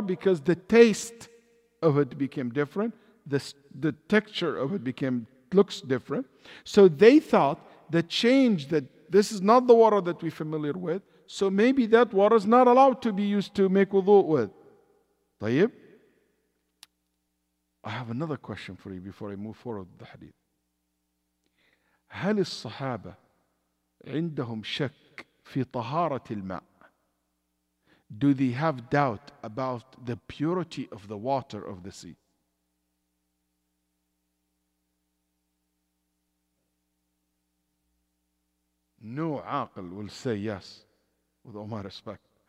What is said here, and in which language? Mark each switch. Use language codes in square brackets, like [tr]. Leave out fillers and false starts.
[en] Because the taste of it became different. The texture of it became, looks different. So they thought the change that this is not the water that we're familiar with, so maybe that water is not allowed to be used to make wudu with. Tayyib? I have another question for you before I move forward with the hadith. [ar] هل الصحابة عندهم شك في طهارة الماء? [en] Do they have doubt about the purity of the water of the sea? No عاقل will say yes, with all my respect.